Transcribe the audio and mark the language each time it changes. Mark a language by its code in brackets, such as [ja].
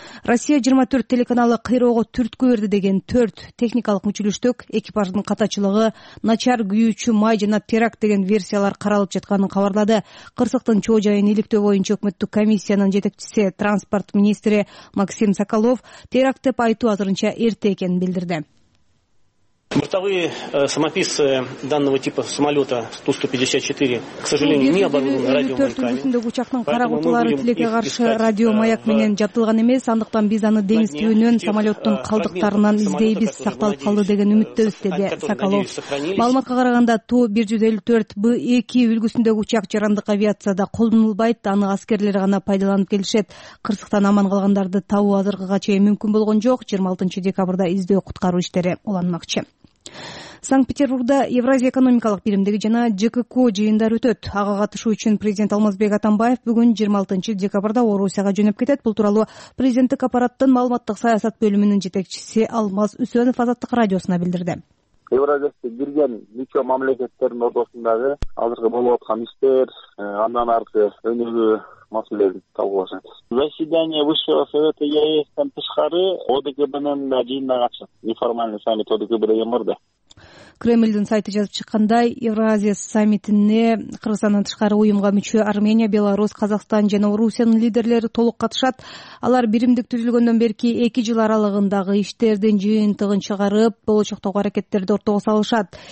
[ky] Россия 24 телеканалы кыйроого түрткү берди деген 4 техникалык мүчүлүштүк, экипаждын катачылыгы, начар күйүүчү май жана теракт деген версиялар каралып жатканын кабарлады. Кырсыктын чоо жайын иликтөө боюнча өкмөттүк комиссиянын жетекчиси, транспорт министри Максим Соколов теракт деп айтуу азырынча эрте экенин билдирди. [ru] Бортовые самописцы данного типа самолета Ту-154, к сожалению, не оборудованы радиомаяками. Поэтому мы будем их искать [ky] радиомаяк менен жатылган эмес, андыктан биз аны деңиз түбүнөн самолеттун калдыктарынан издейбиз, сакталып калды деген үмүттөбүз, деди Соколов. Маалыматка караганда Ту-154B2 үлгүсүндөгү учак жарандык авиацияда колдонулбайт, аны аскерлер гана пайдаланып келишет. Кырсыктан аман калгандарды табуу азыркыга чейин мүмкүн болгон жок. 26-декабрда издөө куткаруу иштери уланмакчы. Санкт-Петербургда Евразия экономикалык биримдиги жана ЖККО жыйындары өтөт. Ага катышуу үчүн президент Алмазбек Атамбаев бүгүн 26-декабрда Орусияга жөнөп кетет. Бул тууралуу президенттик аппараттын маалыматтык саясат бөлүмүнүн жетекчиси Алмаз Үсөнов Азаттык радиосуна билдирди. Евразиясы бирген мүчө мамлекеттердин ортосундагы азыркы болуп аткан иштер, андан аркы өнүгүү маселелерин талкуулашат. [ru] Заседание Высшего Совета [ky] ЕС-тен тышкары ОДКБ-нын да жыйынына катышат. [ru] Неформальный саммит [ky] ОДКБ-да эмерде. Кремлдин сайты жазып чыккандай, Евразия саммитине Кыргызстандан тышкары уюмга мүчө Армения, Беларусь, Казакстан жана Орусиянын лидерлери толук катышат. Алар биримдик түзүлгөндөн берки 2 жыл аралыгындагы иштердин жыйынтыгын чыгарып, болочоктогу аракеттерди ортого салышат.